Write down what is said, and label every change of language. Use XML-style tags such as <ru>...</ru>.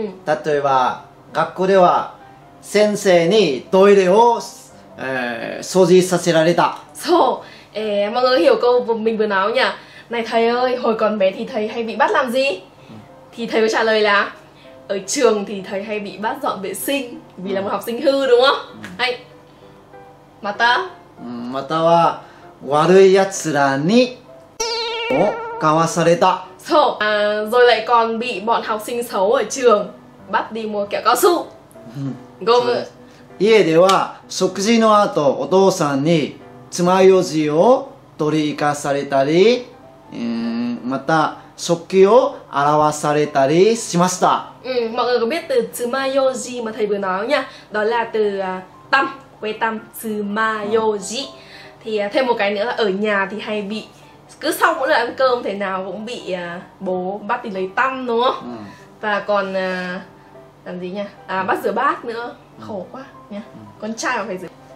<ja>Tatoeba gakko de wa 先生にトイレを掃除させられた。そう。</ja> <vi>mọi người hiểu câu vừa mình vừa nói nhỉ? Này thầy ơi, hồi còn bé thì thầy hay bị bắt làm gì? Thì thầy có trả lời là ở trường thì thầy hay bị bắt dọn vệ sinh vì là một học sinh hư đúng không?</vi> <ja>Hay. Mata. Mata wa warui yatsura ni kawasareta.</ja> <vi>So, rồi lại còn bị bọn học sinh xấu ở trường bắt đi mua kẹo cao su.</vi> <ja>ゴム。家では食事の後、お父さんに爪楊枝を取り行かされたり、また食器を洗わされたりしました。</ja> <vi>mọi người có biết từ爪楊枝mà thầy vừa nói nhá? Đó là từ tăm, quê tăm,爪楊枝. Thì thêm một cái nữa là ở nhà thì hay bị cứ sau mỗi lần ăn cơm thế nào cũng bị bố bắt đi lấy tăm đúng không? Và còn làm gì nha? Bắt rửa bát nữa. Khổ quá nha. Con trai phải rửa.</vi>